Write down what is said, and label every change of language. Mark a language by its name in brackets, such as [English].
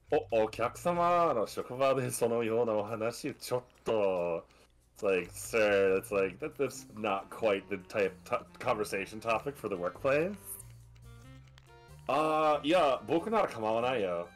[Japanese] お客様, あの、職場でそのようなお話、ちょっと... [English] It's like, sir, it's like, that's not quite the type conversation topic for the workplace. [Japanese] いや、僕なら構わないよ.